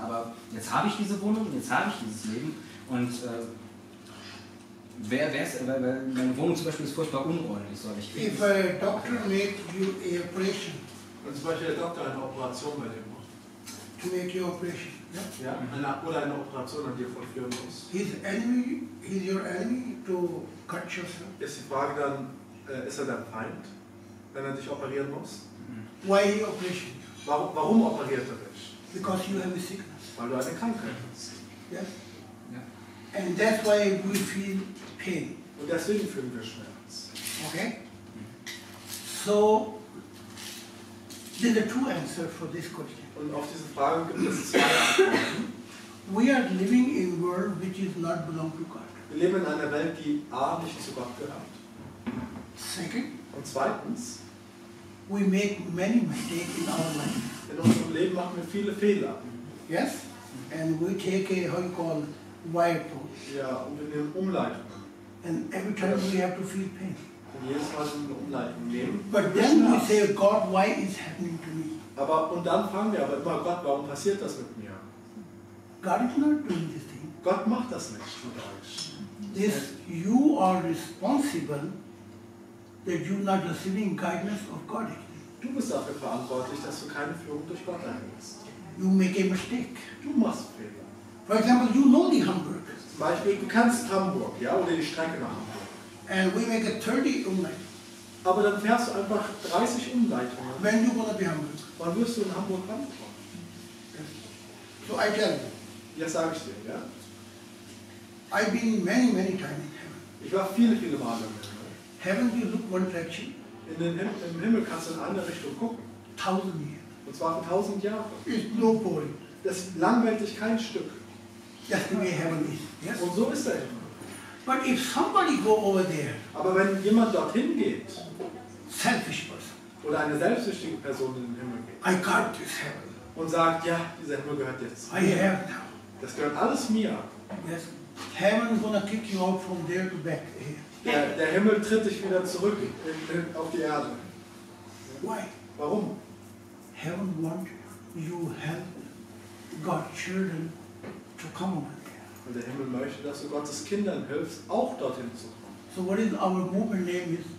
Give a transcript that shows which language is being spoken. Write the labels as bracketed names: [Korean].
[German] Aber jetzt habe ich diese Wohnung, jetzt habe ich dieses Leben und meine Wohnung zum Beispiel ist furchtbar unordentlich, soll ich. [English] If a doctor make you a operation. [German] Wenn zum Beispiel der Doktor eine Operation bei dir macht. [English] To make you operation. Yeah. [German] Ja. Oder eine Operation an dir vollführen muss. [English] His enemy, he's your enemy to cut yourself. [German] Ist die Frage dann, ist er dein Feind, wenn er dich operieren muss? [English] Why he operation? [German] Warum operiert er dich? [English] Because you have a sickness. [German] Weil du eine Krankheit hast. [English] Yes. And that's why we feel pain. [German] Und deswegen fühlen wir Schmerz. [English] Okay? So, there are two answers for this question. [German] Und auf diese Frage gibt es zwei Antworten. [English] We are living in a world which is not belong to God. [German] Wir leben in einer Welt, die A, nicht zu Gott gehört. [English] Second. [German] Und zweitens. [English] We make many mistakes in our life. [German] In unserem Leben machen wir viele Fehler. [English] Yes? And we take a, how you call it, Wipe. [German] Ja, und in den Umleitungen. [English] And every time we have to feel pain. [German] Und jedes Mal in den Umleitungen nehmen. [English] But then we say, God, why is happening to me? [German] Aber und dann fragen wir aber immer, Gott, warum passiert das mit mir? [English] God is not doing this thing. [German] Gott macht das nicht mit euch. [English] This you are responsible that you not receiving guidance of God. [German] Du bist dafür verantwortlich, dass du keine Führung durch Gott erhältst. [English] You make a mistake. [German] Du machst Fehler. [English] For example, you know the Hamburg. [German] Zum Beispiel, du kennst Hamburg, ja, oder die Strecke nach Hamburg. [English] And we make a 30 Umleitung. [German] Aber dann fährst du einfach 30 Umleitungen. [English] When you wanna be Hamburg. [German] Wann wirst du in Hamburg ankommen? [English] So I tell you. [German] Jetzt sage ich dir, ja. [English] I've been many, many times in heaven. [German] Ich war viele, viele Male im Himmel. [English] Haven't you looked one direction? [German] In den im Himmel kannst du in eine Richtung gucken. 1000 Jahre. Und zwar für 1000 Jahre. [English] It's no point. [German] Das langweilt dich kein Stück. [English] That's the way heaven is. Yes? [German] Und so ist er immer. [English] But if somebody go over there, [German] aber wenn jemand dorthin geht, [English] selfish person, [German] oder eine selbstsüchtige Person in den Himmel geht, [English] I got this heaven. [German] Und sagt, ja, dieser Himmel gehört jetzt zu mir. [English] I have now. [German] Das gehört alles mir. [English] Yes. Heaven is gonna kick you out from there to back here. [German] Der Himmel tritt dich wieder zurück auf die Erde. [English] Why? [German] Warum? [English] Heaven want you help God children. [German] Und der Himmel möchte, dass du Gottes Kindern hilfst, auch dorthin zu kommen. [English] So what is our movement name is?